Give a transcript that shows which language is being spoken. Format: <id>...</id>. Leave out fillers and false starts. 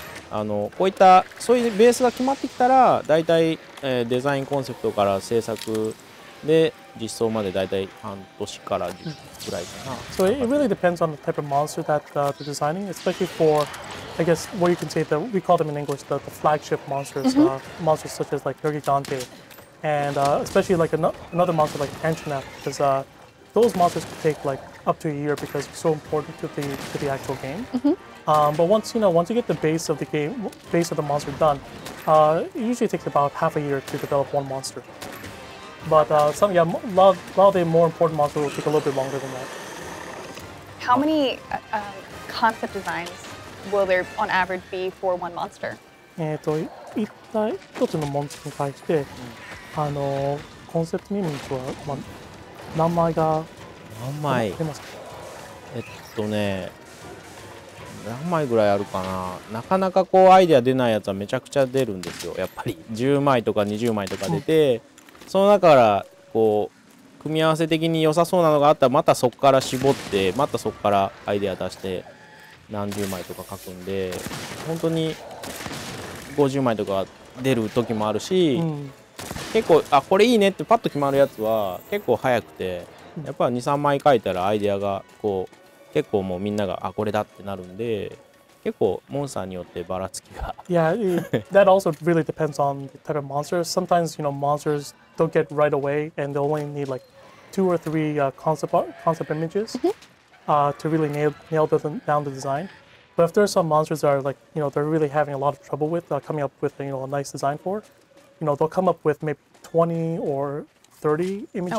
<ja>こういったそういうベースが決まってきたら、だいたいデザインコンセプトから制作で実装までだいたい半年からぐらいかな。</ja> <en>So it really depends on the type of monster that they're designing, especially for, I guess what you can say that we call them in English the flagship monsters, monsters such as Nergigante, and especially another monster like Antrinath, because those monsters could take up to a year because it's so important to the actual game. Mm-hmm. But once you get the base of the game, base of the monster done, it usually takes about half a year to develop one monster. But a lot of the more important monsters will take a little bit longer than that. How many concept designs will there on average be for one monster?</en> <ja>一つのモンスターに対して、コンセプトミニチュア、何枚が何枚出ますか？何枚ぐらいあるかな。なかなかこうアイデア出ないやつはめちゃくちゃ出るんですよ。やっぱり10枚とか20枚とか出て、その中からこう組み合わせ的に良さそうなのがあったら、またそこから絞って、またそこからアイデア出して何十枚とか書くんで、本当に50枚とか出る時もあるし、結構あこれいいねってパッと決まるやつは結構早くて、やっぱ 2,3 枚書いたらアイデアがこう結構もうみんながあこれだってなるんで、結構モンスターによってばらつきが。</ja> <en>Yeah, that also really depends on the type of monsters. Sometimes, you know, monsters don't get right away and they only need like two or three concept images to really nail down the design. But if there are some monsters that are like, you know, they're really having a lot of trouble with coming up with, you know, a nice design for, you know, they'll come up with maybe 20 or 30 images.</en>